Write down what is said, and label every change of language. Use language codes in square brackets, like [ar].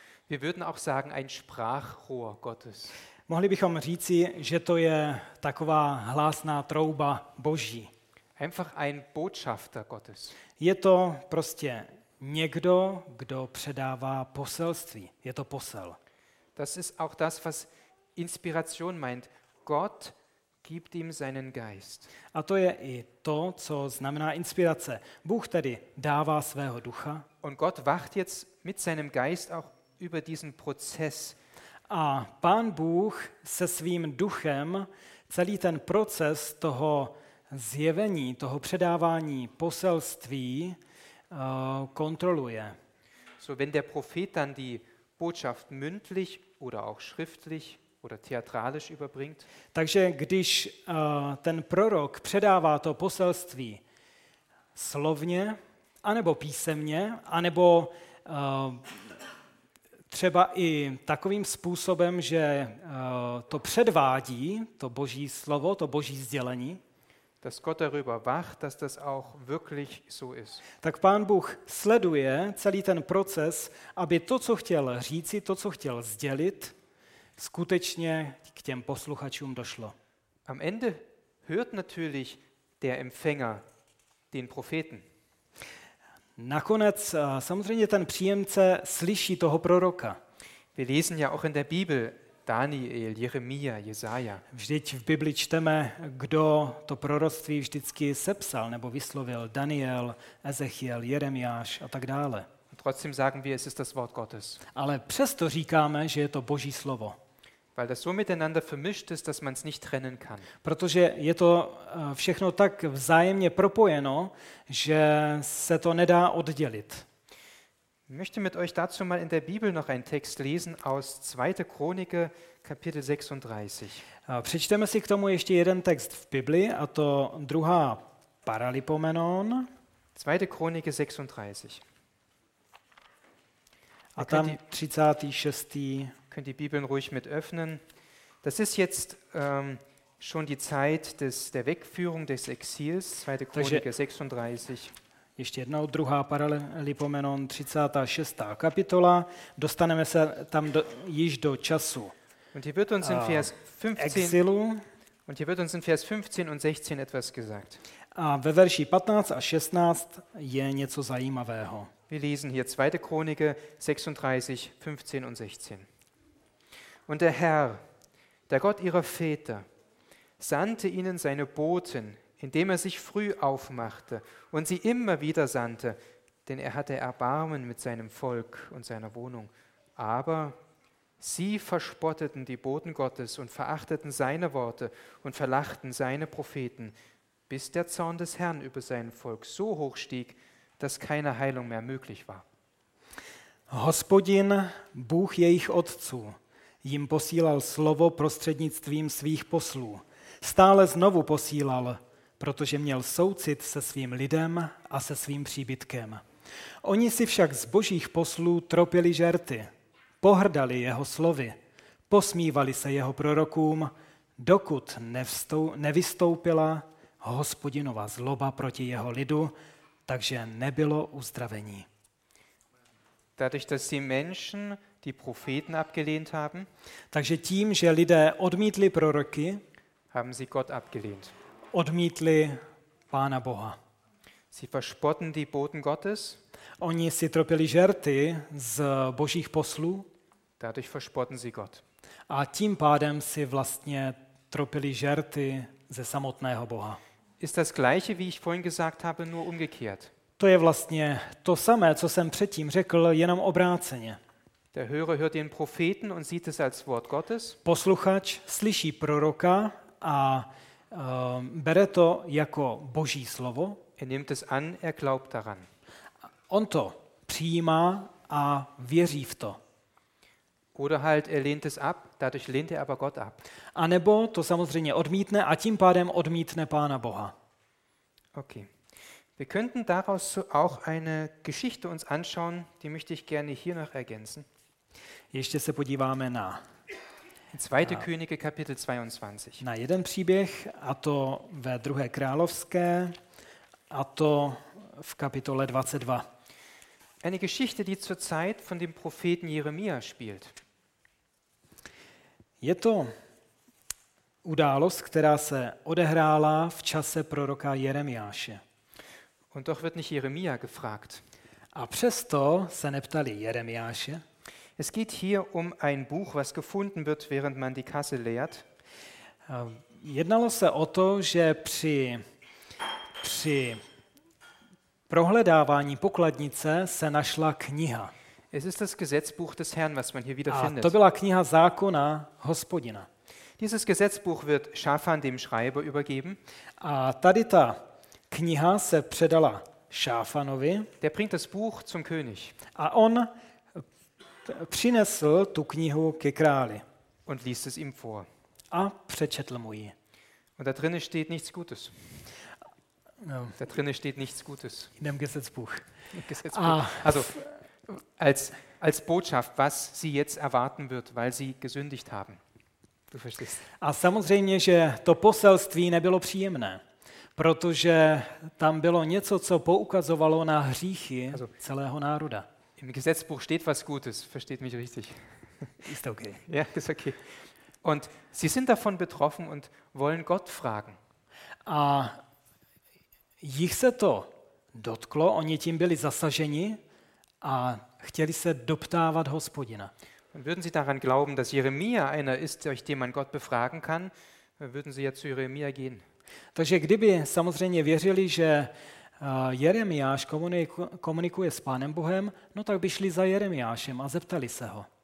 [de] Wir würden auch sagen ein Sprachrohr Gottes. [cs] Mohli bychom říci, že to je taková hlásná trouba Boží. [de] Einfach ein Botschafter Gottes. [cs] Je to prostě někdo, kdo předává poselství. Je to posel. [de] Das ist auch das, was Inspiration meint. Gott gibt ihm seinen Geist. [cs] A to je i to, co znamená inspirace. Bůh tedy dává svého ducha. [de] Und Gott wacht jetzt mit seinem Geist auch über diesen Prozess. [cs] A Pán Bůh se svým duchem celý ten proces toho zjevení, toho předávání poselství kontroluje. [de] So wenn der Prophet dann die Botschaft mündlich oder auch schriftlich oder theatralisch überbringt. [cs] Takže když ten prorok předává to poselství slovně, anebo písemně, anebo třeba i takovým způsobem, že to předvádí to Boží slovo, to Boží sdělení. [de] Dass Gott darüber wacht, dass das auch wirklich so ist. [cs] Tak Pán Bůh sleduje celý ten proces, aby to, co chtěl říci, to, co chtěl sdělit, skutečně k těm posluchačům došlo. [de] Am Ende hört natürlich der Empfänger den Propheten. [cs] Nakonec samozřejmě ten příjemce slyší toho proroka. [de] Wir lesen ja auch in der Bibel Daniel, Jeremia, Jesaja. [cs] Vždyť v Bibli čteme, kdo to proroctví vždycky sepsal nebo vyslovil, Daniel, Ezechiel, Jeremiáš a tak dále. [de] Trotzdem sagen wir, es ist das Wort Gottes. [cs] Ale přesto říkáme, že je to Boží slovo. [de] Weil das so miteinander vermischt ist, dass man es nicht trennen kann. [cs] Protože je to všechno tak vzájemně propojeno, že se to nedá oddělit. [de] Ich möchte mit euch dazu mal in der Bibel noch einen Text lesen aus 2. Chronike, Kapitel 36. [cs] Přečteme si k tomu ještě jeden text v Bibli, a to 2. Paralipomenon. [de] 2. Chronike 36. [cs] A tam 36. [de] Könnt die Bibeln ruhig mit öffnen. Das ist jetzt schon die Zeit der Wegführung des Exils, 2. Chronike 36. [cs] Ještě jednou, 2. Paralipomenon, 36. kapitola. Dostaneme se tam již do času. [de] Und hier wird uns in Vers 15 [cs] Exilu. [de] Und hier wird uns in Vers 15 und 16 etwas gesagt. [cs] A ve verši 15 a 16 je něco zajímavého. [de] Wir lesen hier 2. Chronike 36, 15 und 16. Und der Herr, der Gott ihrer Väter, sandte ihnen seine Boten, indem er sich früh aufmachte und sie immer wieder sandte, denn er hatte Erbarmen mit seinem Volk und seiner Wohnung. Aber sie verspotteten die Boten Gottes und verachteten seine Worte und verlachten seine Propheten, bis der Zorn des Herrn über sein Volk so hoch stieg, dass keine Heilung mehr möglich war. [cs] Hospodin, Bůh jejich otců, jim posílal slovo prostřednictvím svých poslů. Stále znovu posílal, protože měl soucit se svým lidem a se svým příbytkem. Oni si však z božích poslů tropili žerty, pohrdali jeho slovy, posmívali se jeho prorokům, dokud nevystoupila Hospodinova zloba proti jeho lidu, takže nebylo uzdravení. [de] Dadurch, dass die Menschen die Propheten abgelehnt haben, [cs] takže tím, že lidé odmítli proroky, [de] haben sie Gott abgelehnt. [cs] Odmítli Pána Boha. [de] Sie verspotten die Boten Gottes. [cs] Oni si tropili žerty z božích poslů. [de] Dadurch verspotten sie Gott. [cs] A tím pádem si vlastně tropili žerty ze samotného Boha. [de] Ist das gleiche, wie ich vorhin gesagt habe, nur umgekehrt. [cs] To je vlastně to samé, co jsem předtím řekl, jenom obráceně. [de] Der Hörer hört den Propheten und sieht es als Wort Gottes. [cs] Posluchač slyší proroka a bere to jako Boží slovo. [de] Er nimmt es an, er glaubt daran. [cs] On to přijímá a věří v to. [de] Oder halt, er lehnt es ab, dadurch lehnt er aber Gott ab. [cs] A nebo to samozřejmě odmítne a tím pádem odmítne Pána Boha. Okay. [de] Wir könnten daraus auch eine Geschichte uns anschauen, die möchte ich gerne hier noch ergänzen. [cs] Ještě se podíváme na [de] 2. Könige, Kapitel 22. [cs] Na jeden příběh, a to ve 2. Královské, a to v kapitole 22. [de] Eine Geschichte, die zur Zeit von dem Propheten Jeremia spielt. [cs] Je to událost, která se odehrála v čase proroka Jeremiáše. [de] Und doch wird nicht Jeremia gefragt. [cs] A přesto se neptali Jeremiáše. [de] Es geht hier um ein Buch, was gefunden wird, während man die Kasse leert. [cs] Jednalo se o to, že při prohledávání pokladnice se našla kniha. [de] Es ist das Gesetzbuch des Herrn, was man hier wieder findet. [cs] A to byla kniha zákona Hospodina. [de] Dieses Gesetzbuch wird Schafan, dem Schreiber, übergeben. [cs] A tady ta kniha se předala Šáfanovi. [de] Der bringt das Buch zum König. [cs] A on přinesl tu knihu ke králi. [de] Und liest es ihm vor. [cs] A přečetl mu ji. [de] Und da drinne steht nichts Gutes. Da drinne steht nichts Gutes. In dem Gesetzbuch. Also als Botschaft, was sie jetzt erwarten wird, weil sie gesündigt haben. Du verstehst. [cs] A samozřejmě, že to poselství nebylo příjemné, protože tam bylo něco, co poukazovalo na hříchy celého národa. [de] Im Gesetzbuch steht was Gutes, versteht mich richtig. Ist okay. Ja, ist okay. Und sie sind davon betroffen und wollen Gott fragen. [cs] A jich se to dotklo, oni tím byli zasaženi a chtěli se doptávat Hospodina. [de] Und würden Sie daran glauben, dass Jeremia einer ist, durch den man Gott befragen kann, würden Sie ja zu Jeremia gehen. [cs] Takže kdyby samozřejmě věřili, že Jeremiáš komunikuje s Pánem Bohem, no tak by šli za Jeremiášem a zeptali se ho.